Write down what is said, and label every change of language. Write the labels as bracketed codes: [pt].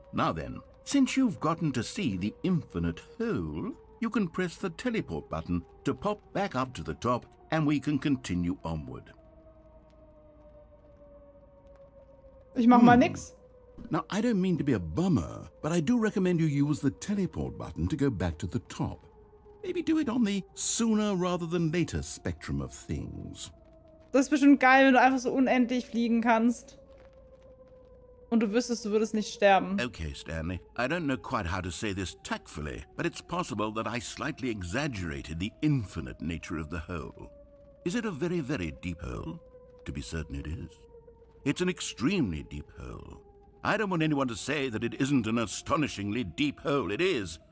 [en] Now then, since you've gotten to see the infinite hole, you can press the teleport button to pop back up to the top, and we can continue onward. [de] Ich mach mal nix. [en] Now, I don't mean to be a bummer, but I do recommend you use the teleport button to go back to the top. Maybe do it on the sooner rather than later spectrum of things. [de] Das ist bestimmt geil, wenn du einfach so unendlich fliegen kannst. Und du wüsstest, du würdest nicht sterben. [en] Okay, Stanley. I don't know quite how to say this tactfully, but it's possible that I slightly exaggerated the infinite nature of the hole. Is it a very, very deep hole? To be certain it is. It's an extremely deep hole. I don't want anyone to say that it isn't an astonishingly deep hole. It is.